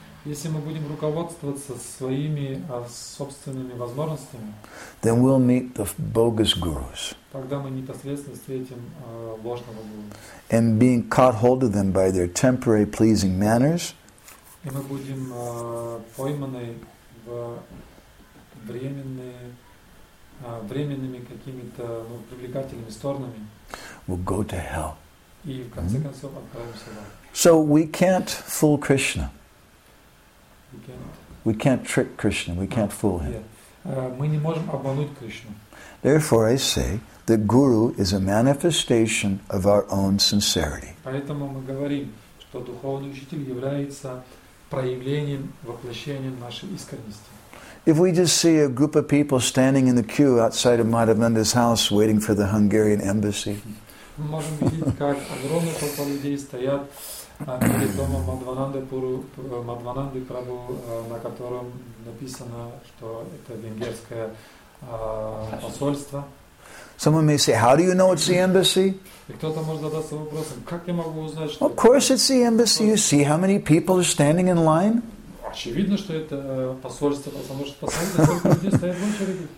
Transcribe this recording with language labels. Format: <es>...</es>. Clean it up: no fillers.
<ru>если мы будем руководствоваться своими собственными возможностями,</ru> <en>then we'll meet the bogus gurus.</en> <ru>Тогда мы непосредственно встретим ложного гуру.</ru> <en>And being caught hold of them by their temporary pleasing manners,</en> <ru>и мы будем пойманы в временными какими-то привлекательными сторонами.</ru> <en>Will go to hell. Mm-hmm. So we can't fool Krishna. We can't trick Krishna. We can't fool him.</en> <ru>Мы не можем обмануть Кришну.</ru> <en>Therefore, I say the guru is a manifestation of our own sincerity.</en> <ru>Поэтому мы говорим, что духовный учитель является проявлением, воплощением нашей искренности.</ru> <en>If we just see a group of people standing in the queue outside of Madhavendra's house waiting for the Hungarian embassy, someone may say, how do you know it's the embassy? Of course it's the embassy. You see how many people are standing in line?</en> <ru>Очевидно, что это посольство, потому что посольство, сколько людей стоят в очереди.</ru>